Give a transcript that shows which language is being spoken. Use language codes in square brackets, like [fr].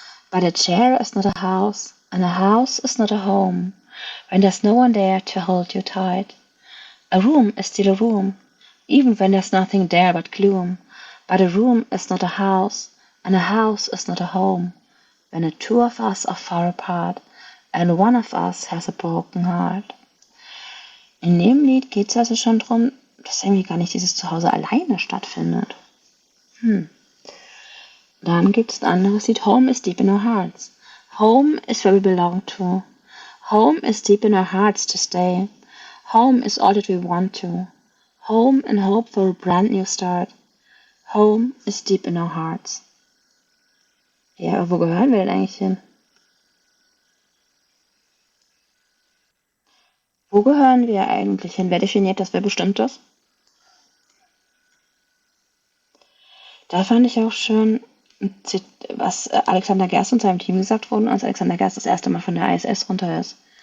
[en] But a chair is not a house, and a house is not a home, when there's no one there to hold you tight. A room is still a room, even when there's nothing there but gloom. But a room is not a house, and a house is not a home, when the two of us are far apart, and one of us has a broken heart. [de] In dem Lied geht es also schon darum, dass irgendwie gar nicht dieses Zuhause alleine stattfindet. Dann gibt es ein anderes Lied. [en] Home is deep in our hearts. Home is where we belong to. Home is deep in our hearts to stay. Home is all that we want to. Home and hope for a brand new start. Home is deep in our hearts. [de] Ja, aber wo gehören wir denn eigentlich hin? Wo gehören wir eigentlich hin? Wer definiert das? Wer bestimmt das? Da fand ich auch schön, was Alexander Gerst und seinem Team gesagt wurden, als Alexander Gerst das erste Mal von der ISS runter ist.